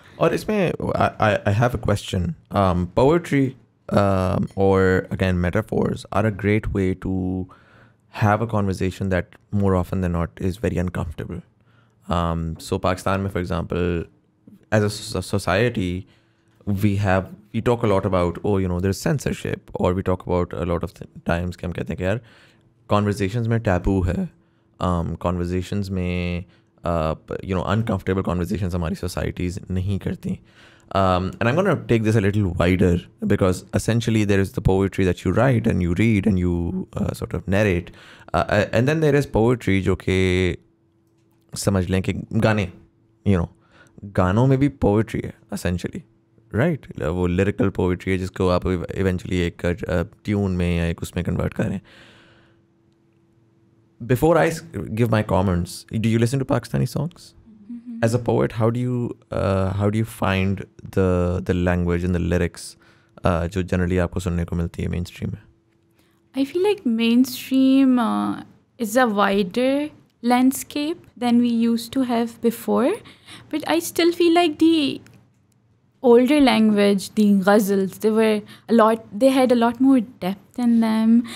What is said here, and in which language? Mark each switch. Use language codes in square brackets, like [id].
[hi] और इसमें [en] I have a question. Poetry और again metaphors are a great way to have a conversation that more often than not is very uncomfortable. So Pakistan में for example as a society we talk a lot about oh you know there is censorship और we talk about a lot of times [hi] कि हम कहते हैं कि यार conversations में taboo है. कॉन्वर्जेशंस में [en] you know, uncomfortable conversations [hi] हमारी societies नहीं करती. [en] And I'm going to take this a little wider because essentially there is the poetry that you write and you read and you sort of narrate. And then there is poetry [hi] जो कि समझ लें कि गाने, [en] you know, [hi] गानों में भी [en] poetry है essentially, right? [hi] वो lyrical poetry है जिसको आप eventually एक tune में या एक उसमें convert करें. [en] Before I give my comments, do you listen to Pakistani songs? Mm-hmm. As a poet, how do you find the language and the lyrics [hi] jo generally aapko sunne ko milti hai mainstream mein? [en] I feel like mainstream is a wider landscape than we used to have before, but I still feel like the older language, the ghazals, they had a lot more depth in them.